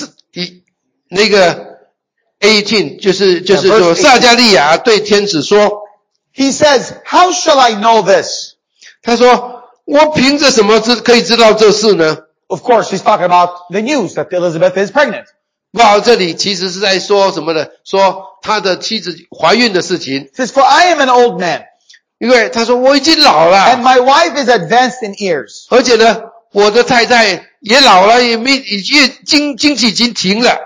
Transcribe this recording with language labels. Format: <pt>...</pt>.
<zh>你知道他说，那个 18，就是说撒加利亚对天使说。</zh> <en>He says, how shall I know this?</en> <zh>他说，我凭着什么可以知道这事呢？</zh> <en>Of course, he's talking about the news that Elizabeth is pregnant.</en> <zh>哇，这里其实是在说什么呢？说他的妻子怀孕的事情。</zh> <en>He says, for I am an old man.</en> <zh>因为他说我已经老了。</zh> <en>And my wife is advanced in years.</en> <zh>而且呢，我的太太也老了，也经期已经停了。</zh>